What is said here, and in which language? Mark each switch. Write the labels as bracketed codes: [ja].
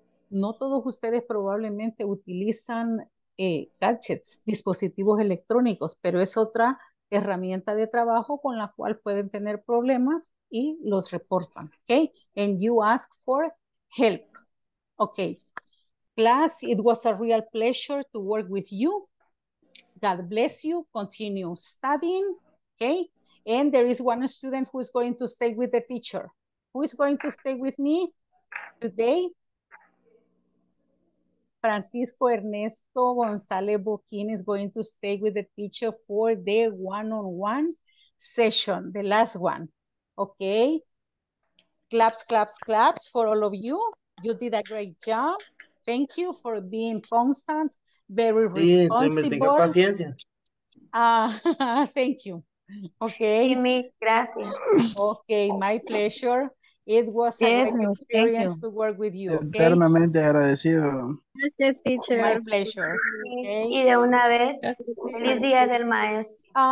[es] No todos ustedes probablemente utilizan gadgets, dispositivos electrónicos, pero es otra herramienta de trabajo con la cual pueden tener problemas y los reportan, okay? [en] And you ask for help, okay? Class, it was a real pleasure to work with you. God bless you. Continue studying, okay? And there is one student who is going to stay with the teacher. Who is going to stay with me today? Francisco Ernesto González Boquín is going to stay with the teacher for the one-on-one session, the last one, okay? Claps, claps, claps for all of you. You did a great job. Thank you for being constant, very responsible. [es] Sí, tenga paciencia. [en] thank you. Okay. [es] Sí, miss, gracias. [en] Okay, my pleasure. It was a great experience to work with you. Okay? [es] Eternamente agradecido. Gracias, teacher. [en] My pleasure. [es] Okay. Y de una vez, feliz día del maestro.